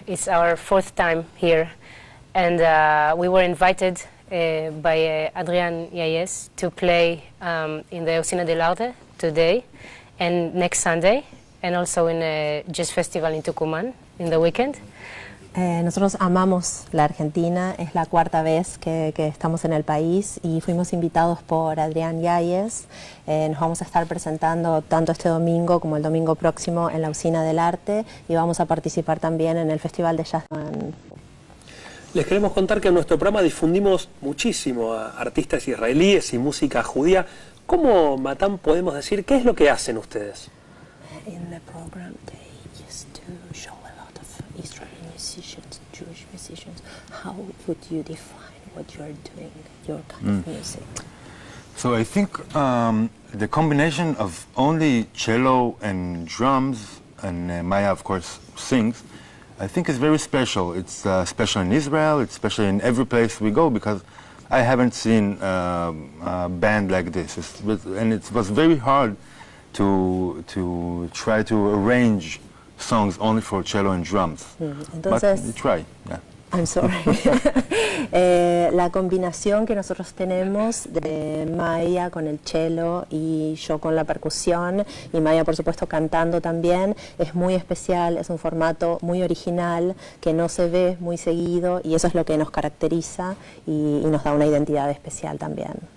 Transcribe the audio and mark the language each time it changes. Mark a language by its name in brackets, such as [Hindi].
[English] It's our fourth time here, and we were invited by Adrián Yáñez to play in the Usina del Arte today and next Sunday, and also in a jazz festival in Tucumán in the weekend. [Spanish] Nosotros amamos la Argentina, es la cuarta vez que estamos en el país y fuimos invitados por Adrián Yáñez. Nos vamos a estar presentando tanto este domingo como el domingo próximo en la Usina del Arte, y vamos a participar también en el Festival de Jazz. Les queremos contar que en nuestro programa difundimos muchísimo a artistas israelíes y música judía. ¿Cómo, Matan, podemos decir qué es lo que hacen ustedes? [English] In the program they used to show a lot of Israel. Jewish musicians, how would you define what you are doing, your kind of music? So I think the combination of only cello and drums, and Maya of course sings, I think is very special. It's special in Israel, it's special in every place we go, because I haven't seen a band like this. It was very hard to try to arrange songs only for cello and drums. [Spanish] Entonces, [English] but try, yeah. I'm sorry. [Spanish] la combinación que nosotros tenemos de Maya con el cello y yo con la percusión, y Maya por supuesto cantando también, es muy especial, es un formato muy original que no se ve muy seguido, y eso es lo que nos caracteriza y nos da una identidad especial también.